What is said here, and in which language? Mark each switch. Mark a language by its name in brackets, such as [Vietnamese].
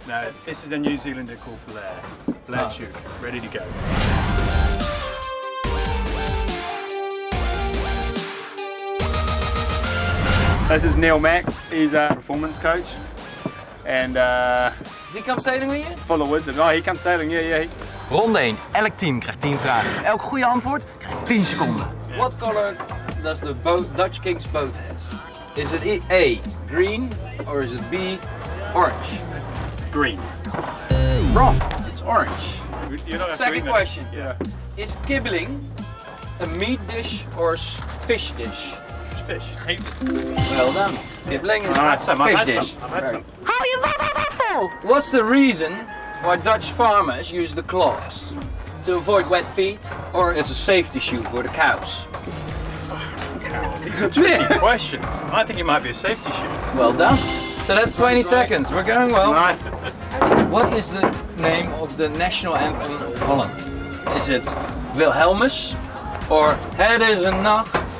[English] No, this is a New Zealander called Blair. Blair Chu. Ready to go. This is Neil Mack, he's a performance coach. And does he come sailing with you? Follow Woods. Oh, he comes sailing, yeah. [Dutch] Ronde 1, elk team krijgt 10 vragen. Elk goede antwoord krijgt 10 seconden. [English] Yeah. What color does the boat, Dutch King's boat has? Is it A, green, or is it B, orange? Green. Wrong, it's orange. You're not second question. Yeah. Is kibbeling a meat dish or a fish dish? Fish. Well done. Kibbeling is a fish dish. How you waffle? What's the reason why Dutch farmers use the clogs? To avoid wet feet or as a safety shoe for the cows? These are tricky questions. I think it might be a safety shoe. Well done. So that's 20 seconds. We're going well. Nice. What is the name of the national anthem of Holland? Is it Wilhelmus or Het is een Nacht?